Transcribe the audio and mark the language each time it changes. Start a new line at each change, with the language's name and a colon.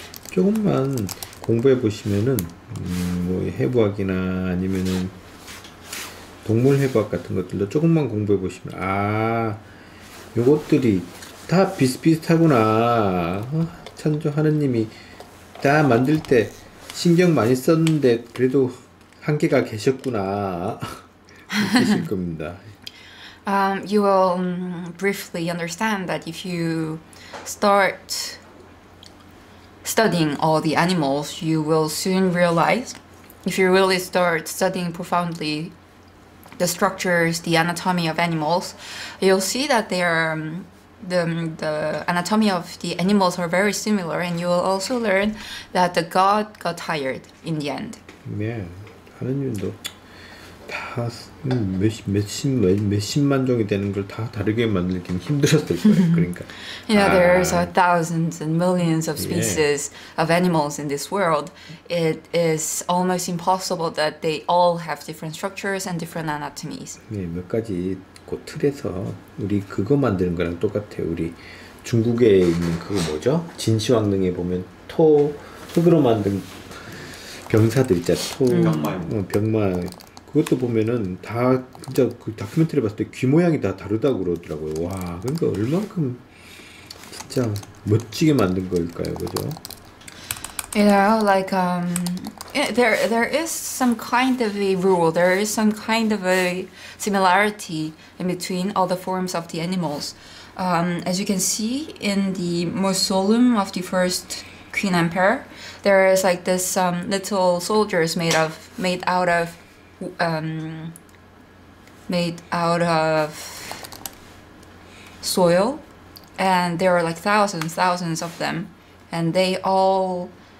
Korean: 조금만 공부해 보시면은 뭐 해부학이나 아니면은 동물 해부학 같은 것들도 조금만 공부해 보시면 아 요것들이 다 비슷비슷하구나. 천주 하느님이 다 만들 때 신경 많이 썼는데 그래도 한계가 계셨구나 느끼실 겁니다.
English: You will briefly understand that if you start studying all the animals, you will soon realize, if you really start studying profoundly the structures, the anatomy of animals, you'll see that they are the anatomy of the animals are very similar, and you will also learn that the God got tired in the end.
Korean: Yeah, 하느님도 다 몇십만 종이 되는 걸 다 다르게 만들기는 힘들었을 거예요. 그러니까.
English: Yeah, there's thousands and millions of species of animals in this world. It is almost impossible that they all have different structures and different anatomies.
Korean: 네, 몇 가지 그 틀에서 우리 그거 만드는 거랑 똑같아요. 우리 중국에 있는 그거 뭐죠? 진시황릉에 보면 토 흙으로 만든 병사들 있잖아요. 토 병마. 그것도 보면은 다 진짜 그 다큐멘터리 봤을 때 귀 모양이 다 다르다고 그러더라고요. 와, 그러니까 얼만큼 진짜 멋지게 만든 걸까요, 그죠?
English: You know, like there is some kind of a rule. There is some kind of a similarity in between all the forms of the animals. As you can see in the mausoleum of the first Queen Emperor, there is like this little soldiers made out of soil, and there are like thousands of them, and they all